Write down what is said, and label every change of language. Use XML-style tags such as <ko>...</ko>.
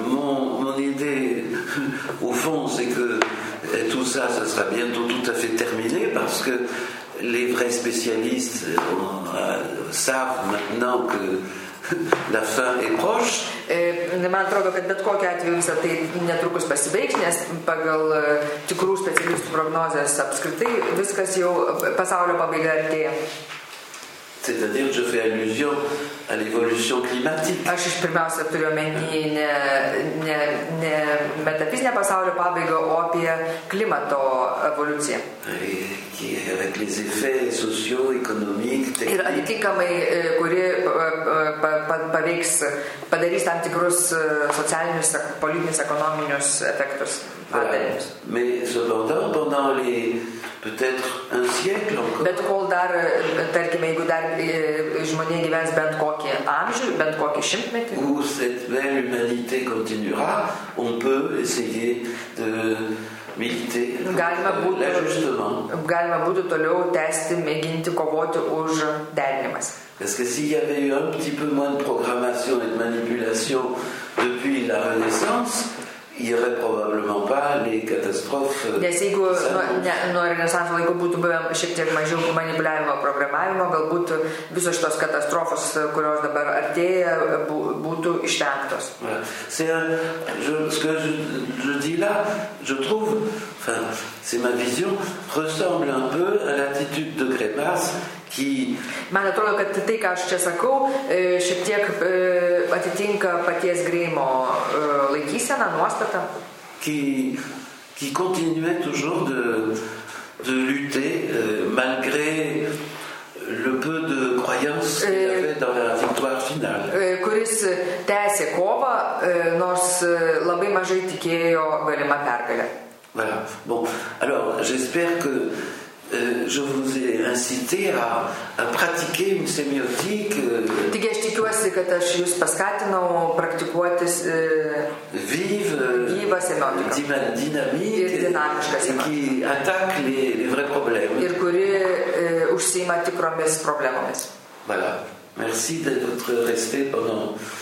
<fr>Mon idée, au fond, c'est que tout ça, ça sera bientôt tout à fait terminé, parce que les vrais spécialistes savent maintenant que la fin est proche.</fr> <lt>Man atrodo, kad bet kokiu atveju visą tai netrukus pasibaigs, nes pagal tikrų specialistų prognozes apskritai viskas jau pasaulio pabaiga artėja.</lt> <fr>C'est-à-dire que je fais allusion à l'évolution climatique.</fr> <lt>Aš iš pirmiausia turiu omeny ne metafizinę pasaulio pabaigą, o apie klimato evoluciją.</lt> <fr>Avec les effets sociaux, économiques, techniques.</fr> <lt>Ir atitinkamai, kuri paveiks, padarys tam tikrus socialinius, politinius, ekonominius efektus.</lt> <fr>Voilà. Mais cependant, pendant les peut-être un siècle encore.</fr> <lt>Bet kol dar, tarkime, jeigu dar žmonės gyvens bent kokį amžių, bent kokį šimtmetį.</lt> <fr>Où cette belle humanité continuera, on peut essayer de militer.</fr> <lt>Galima būtų toliau tęsti, mėginti kovoti už derinimas.</lt> <fr>Parce que s'il y avait eu un petit peu moins de programmation et de manipulation depuis la Renaissance. Il y aurait probablement pas les catastrophes.</fr> <lt>Nes jeigu nuo renesanso laikų būtų buvę šiek tiek mažiau manipuliavimo programavimo, galbūt visos šitos katastrofos, kurios dabar artėja, būtų išvengtos.</lt> <fr>Ce que je dis là, je trouve, enfin, c'est ma vision, ressemble un peu à l'attitude de Grébas.</fr> <lt>Man atrodo, kad tai, ką aš čia sakau, šiek tiek atitinka paties Greimo laikyseną, nuostatą.</lt> <fr>Qui continuait toujours de lutter malgré le peu de croyance qu'il avait dans la victoire finale.</fr> <lt>Kuris tęsė kovą, nors labai mažai tikėjo galima pergalę.</lt> <fr>Voilà. Bon, alors j'espère que je vous ai incité à pratiquer une sémiotique.</fr> <lt>Taigi, aš tikiuosi, kad aš jūs paskatinau praktikuotis gyvą semiotiką.</lt> <fr>Dynamique et dynamique qui attaque les vrais problèmes.</fr> <lt>Ir kuri užsiima tikromis problemomis.</lt> <fr>Voilà. Merci de votre respect pendant.</fr>